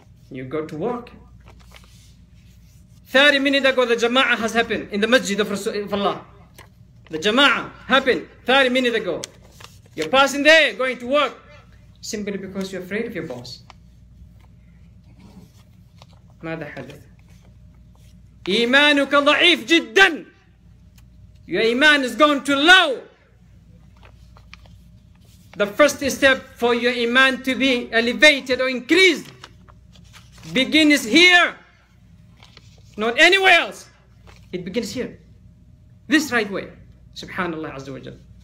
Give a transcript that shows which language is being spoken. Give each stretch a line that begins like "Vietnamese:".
English: You go to work. 30 minutes ago, the jama'ah has happened in the masjid of Allah. The jama'ah happened 30 minutes ago. You're passing there, going to work, simply because you're afraid of your boss.
Arabic: ماذا حدث؟ إيمانك ضعيف جدا.
English: Your iman is going too low. The first step for your iman to be elevated or increased begins here, not anywhere else. It begins here, this right way.
Arabic: Subhanallah Azza wa Jal.